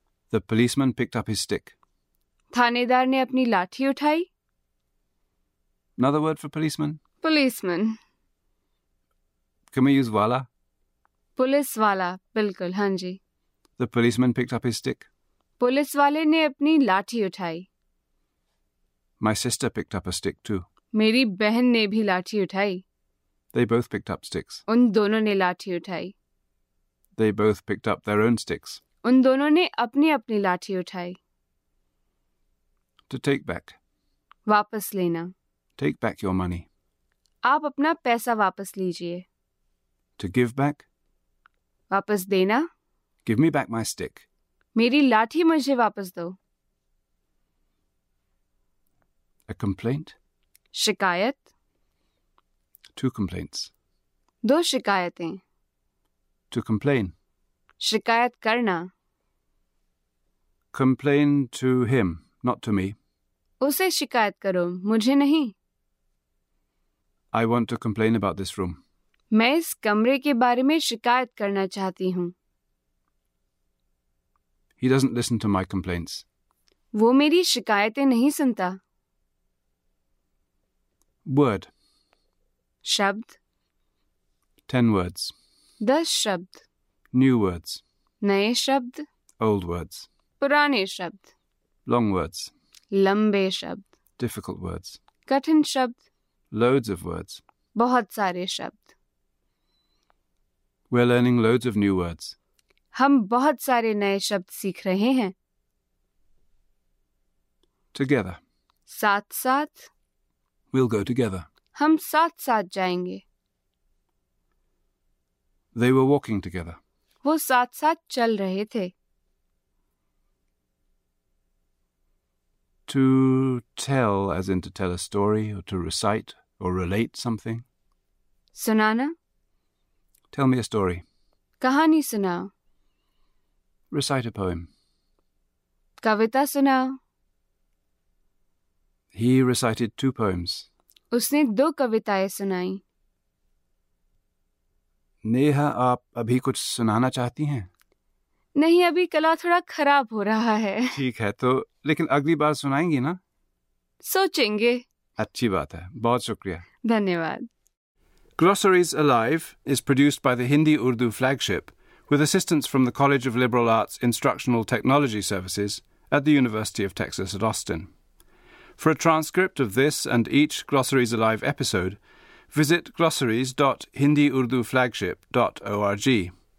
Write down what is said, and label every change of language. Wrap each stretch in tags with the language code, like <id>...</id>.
<en>The policeman picked up his stick.</en> <hi>थानेदार ने अपनी लाठी उठाई.</hi> <en>Another word for policeman.</en> <hi>Policeman.</hi> <en>Can we use wala?</en> <hi>Police वाला. बिल्कुल, हाँ जी.</hi> <en>The policeman picked up his stick.</en> <hi>Police वाले ने अपनी लाठी उठाई.</hi> <en>My sister picked up a stick too.</en> <hi>मेरी बहन ने भी लाठी उठाई.</hi> <en>They both picked up sticks.</en> <hi>उन दोनों ने लाठी उठाई.</hi> <en>They both picked up their own sticks.</en> <hi>उन दोनों ने अपनी अपनी लाठी उठाई.</hi> <en>To take back.</en> <hi>वापस लेना.</hi> <en>Take back your money.</en> <hi>आप अपना पैसा वापस लीजिए.</hi> <en>To give back.</en> <hi>वापस देना.</hi> <en>Give me back my stick.</en> <hi>मेरी लाठी मुझे वापस दो.</hi> <en>A complaint.</en> <hi>शिकायत.</hi> <en>Two complaints.</en> <hi>दो शिकायतें.</hi> <en>To complain.</en> <hi>शिकायत करना.</hi> <en>Complain to him, not to me.</en> <hi>उसे शिकायत करो, मुझे नहीं.</hi> <en>I want to complain about this room.</en> <hi>मैं इस कमरे के बारे में शिकायत करना चाहती हूँ.</hi> <en>He doesn't listen to my complaints.</en> <hi>वो मेरी शिकायतें नहीं सुनता.</hi> <en>Word.</en> <hi>शब्द.</hi> <en>10 words.</en> <hi>10 शब्द.</hi> <en>New words.</en> <hi>नए शब्द.</hi> <en>Old words.</en> <hi>पुराने शब्द.</hi> <en>Long words.</en> <hi>लंबे शब्द.</hi> <en>Difficult words.</en> <hi>कठिन शब्द.</hi> <en>Loads of words.</en> <hi>बहुत सारे शब्द.</hi> <en>We're learning loads of new words.</en> <hi>हम बहुत सारे नए शब्द सीख रहे हैं.</hi> <en>Together.</en> <hi>साथ साथ.</hi> <en>We'll go together.</en> <hi>हम साथ साथ जाएंगे.</hi> <en>They were walking together.</en> <hi>वो साथ साथ चल रहे थे.</hi> <en>To tell, as in to tell a story, or to recite, or relate something.</en> <hi>सुनाना.</hi> <en>Tell me a story.</en> <hi>कहानी सुनाओ.</hi> <en>Recite a poem.</en> <hi>कविता सुनाओ.</hi> <en>He recited 2 poems.</en> <hi>उसने 2 कविताएं सुनाई. नेहा, आप अभी कुछ सुनाना चाहती हैं? नहीं अभी कला थोड़ा खराब हो रहा है। ठीक है तो लेकिन अगली बार सुनाएंगी ना? सोचेंगे। अच्छी बात है, बहुत शुक्रिया। धन्यवाद।</hi> <en>Glossaries Alive is produced by the Hindi Urdu flagship with assistance from the College of Liberal Arts Instructional Technology Services at the University of Texas at Austin. For a transcript of this and each Glossaries Alive episode, visit glossaries.hindiurduflagship.org.</en>